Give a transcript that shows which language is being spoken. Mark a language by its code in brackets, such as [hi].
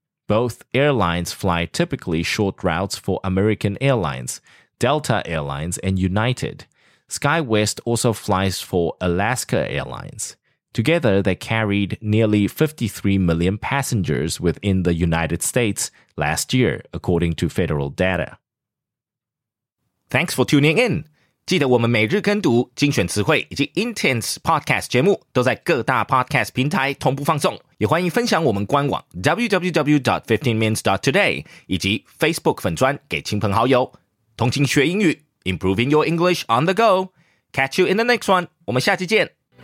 [en] Both airlines fly typically short routes for American Airlines, Delta Airlines, and United. SkyWest also flies for Alaska Airlines. Together, they carried nearly 53 million passengers within the United States last year, according to federal data. Thanks for tuning in. [zh] 记得我们每日跟读精选词汇以及 Intense Podcast 节目都在各大 Podcast 平台同步放送。也欢迎分享我们官网 www.15minutes.today 以及 Facebook 粉专给亲朋好友。同情学英语 [en] ,improving your English on the go. Catch you in the next one. [zh] 我们下期见。